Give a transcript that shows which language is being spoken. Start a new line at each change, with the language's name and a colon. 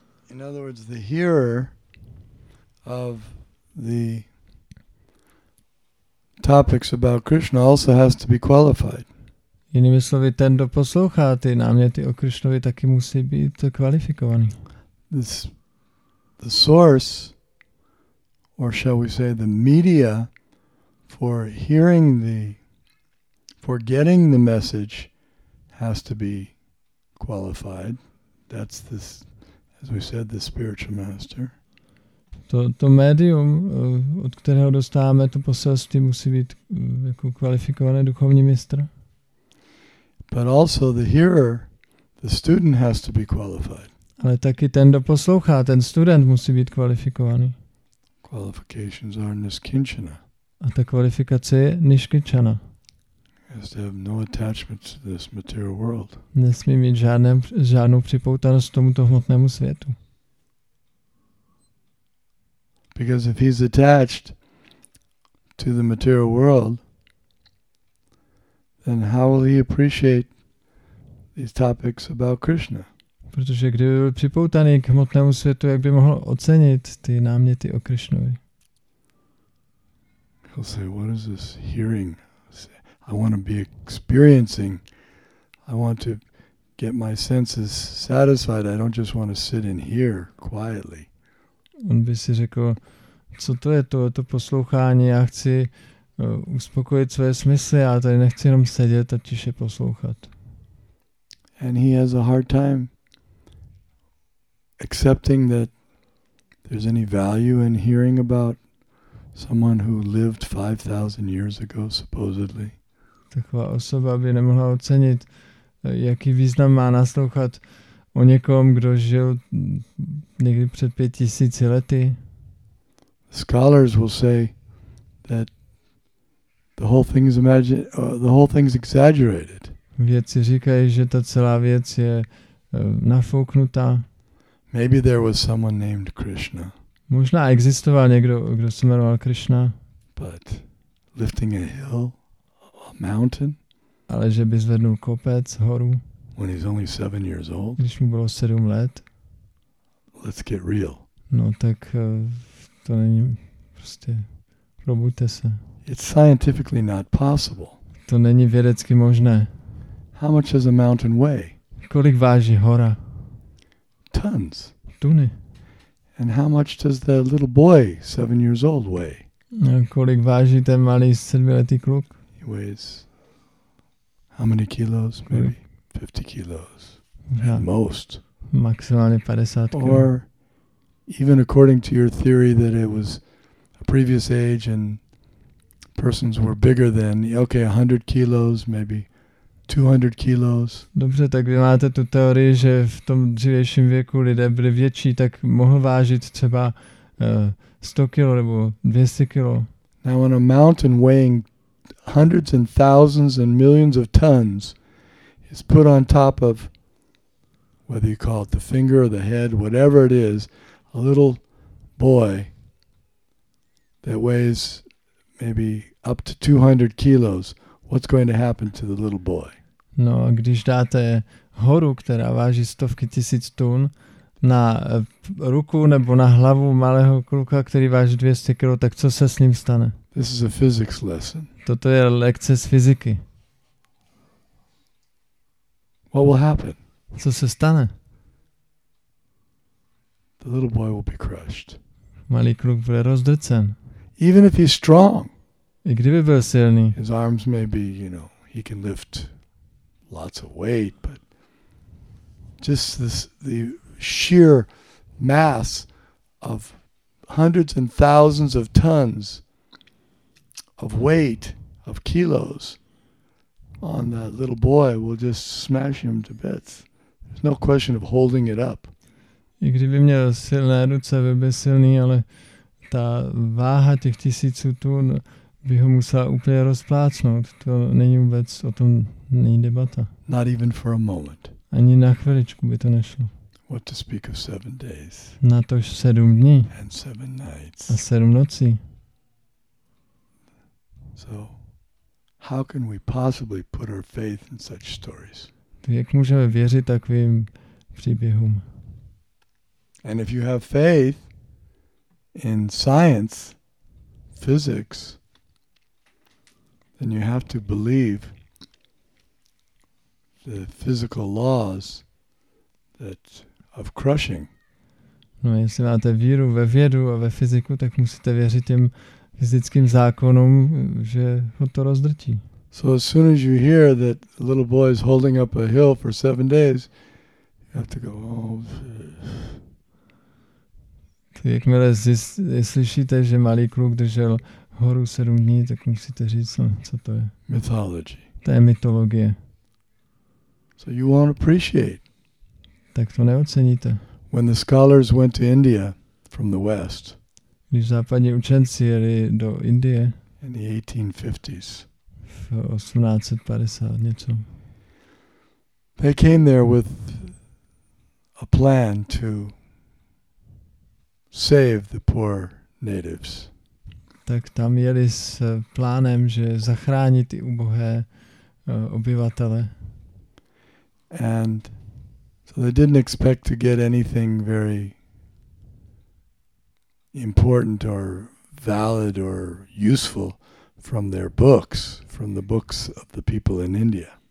English: In other words, the hearer of the topics about Krishna also has to be qualified.
Czech: Jinými slovy, ten, kdo poslouchá ty náměty o Krishnovi, taky musí být kvalifikovaný.
English: This, the source. Or shall we say the media for hearing the, for getting the message has to be qualified. That's this, as we said, the spiritual master.
Czech: To médium, od kterého dostáváme to poselství, musí být jako kvalifikované duchovní mistr.
English: But also the hearer, the student has to be qualified.
Czech: Ale taky ten, kdo poslouchá, ten student musí být kvalifikovaný.
English: Qualifications are Nishkinchana.
Czech: A ta kvalifikace je Nishkinchana.
English: Has to have no attachment to this material world.
Czech: Nesmí mít žádnou připoutanost tomuto hmotnému světu.
English: Because if he's attached to the material world, then how will he appreciate these topics about Krishna?
Czech: Protože kdyby byl připoutaný k hmotnému světu, jak by mohl ocenit ty náměty o Krišnovi?
English: He'll say, what is this hearing? I want to be experiencing. I want to get my senses satisfied. I don't just want to sit in here quietly.
Czech: On by si řekl, co to je to, to poslouchání, já chci uspokojit svoje smysly, já tady nechci jenom sedět a tiše poslouchat.
English: And he has a hard time accepting that there's any value in hearing about someone who lived 5,000 years ago, supposedly.
Czech: Taková osoba by nemohla ocenit, jaký význam má naslouchat o někom, kdo žil někdy před 5,000 lety.
English: Scholars will say that the whole thing's exaggerated.
Czech: Vědci říkají, že ta celá věc je nafouknutá.
English: Maybe there was someone named Krishna.
Czech: Možná existoval někdo, kdo se jmenoval Krishna.
English: But lifting a hill, a mountain.
Czech: Ale že by zvednul kopec, horu.
English: When he's only 7 years old.
Czech: Když mu bylo 7 let.
English: Let's get real.
Czech: No tak to není prostě. Probuďte se.
English: It's scientifically not possible.
Czech: To není vědecky možné.
English: How much does a mountain weigh?
Czech: Kolik váží hora?
English: Tons.
Czech: Tuny.
English: And how much does the little boy, 7 years old, weigh?
Czech: A kolik váží ten malý 7letý kluk?
English: He weighs how many kilos? Maybe 50 kilos. Ja. At most.
Czech: Maximálně 50 kilo.
English: Or even according to your theory that it was a previous age and persons were bigger than, okay, 100 kilos, maybe 200 kilos.
Czech: Dobře, tak vy máte tu teorii, že v tom dřívějším věku lidé byli větší, tak mohl vážit třeba 100 kilo nebo 200 kilo.
English: Now on a mountain weighing hundreds and thousands and millions of tons is put on top of, whether you call it the finger or the head, whatever it is, a little boy that weighs maybe up to 200 kilos. What's going to happen to the little boy?
Czech: No, když dáte horu, která váží stovky tisíc tun, na ruku nebo na hlavu malého kluka, který váží 200 kilo, tak co se s ním stane?
English: This is a physics lesson.
Czech: Toto je lekce z fyziky.
English: What will happen?
Czech: Co se stane?
English: The little boy will be crushed.
Czech: Malý kluk bude rozdrcen.
English: Even if he's strong.
Czech: I kdyby byl silný.
English: His arms may be, you know, he can lift lots of weight, but just this, the sheer mass of hundreds and thousands of tons of weight, of kilos, on that little boy will just smash him to bits. There's no question of holding it up.
Czech: I kdyby měl silné ruce, by byl silný, ale ta váha těch tisíců tun by ho musela úplně rozplácnout. To není vůbec, o tom není debata.
English: Not even for a moment.
Czech: Ani na chviličku by to nešlo.
English: What to speak of 7 days.
Czech: Na to 7 dní.
English: And 7 nights.
Czech: A 7 nocí.
English: So, how can we possibly put our faith in such stories?
Czech: Jak můžeme věřit takovým příběhům?
English: And if you have faith in science, physics, then you have to believe the physical laws that of crushing.
Czech: No, jestli máte víru ve vědu a ve fyziku, tak musíte věřit těm fyzickým zákonům, že ho to rozdrtí.
English: So as soon as you hear that a little boy is holding up a hill for 7 days, you have to go, oh.
Czech: Tak jakmile slyšíte, že malý kluk držel horu 7 dní, tak musíte říct, co to je.
English: Mythology.
Czech: To je mytologie.
English: So you won't appreciate.
Czech: Tak to neoceníte.
English: When the scholars went to India from the west.
Czech: Když západní učenci jeli do Indie.
English: In the 1850s.
Czech: V 1850 něco.
English: They came there with a plan to save the poor natives.
Czech: Tak tam jeli s plánem, že zachrání ty ubohé obyvatele.
English: And so they didn't expect to get anything very important or valid or useful from their books, from the books of the people in India.